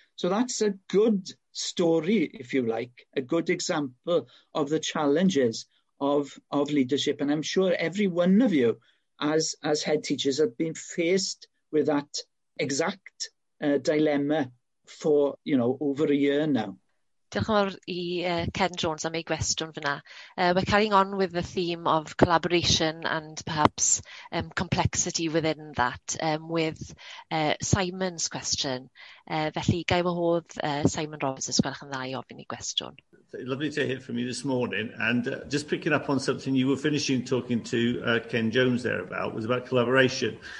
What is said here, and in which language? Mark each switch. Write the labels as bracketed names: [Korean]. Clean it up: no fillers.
[English] So that's a good story, if you like, a good example of the challenges of leadership. And I'm sure every one of you as head teachers have been faced with that exact dilemma for, you know, over a year now. [Welsh] Diolch yn fawr I Ken Jones am ei gwestiwn fyna. [English] We're carrying on with the theme of collaboration and perhaps complexity within that with Simon's question. [Welsh] Felly, gai wahodd Simon Roberts os gwelwch yn dda I ofyn I gwestiwn. [English] Lovely to hear from you this morning. And just picking up on something you were finishing talking to Ken Jones there about, was about collaboration.